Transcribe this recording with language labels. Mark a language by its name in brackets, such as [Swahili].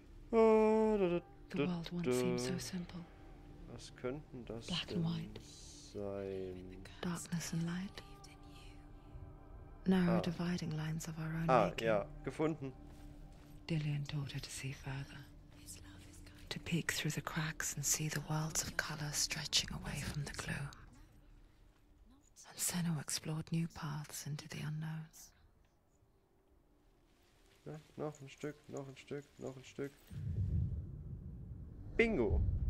[German] Was könnten das denn sein? [English] Darkness and light. Narrow dividing lines of our own making. [German] Ah, ja, gefunden. [English] Dillian taught her to see further. To peek through the cracks and see the worlds of color stretching away from the gloom. And Senno explored new paths into the unknown. [German] Ja, noch ein Stück, noch ein Stück, noch ein Stück. Bingo!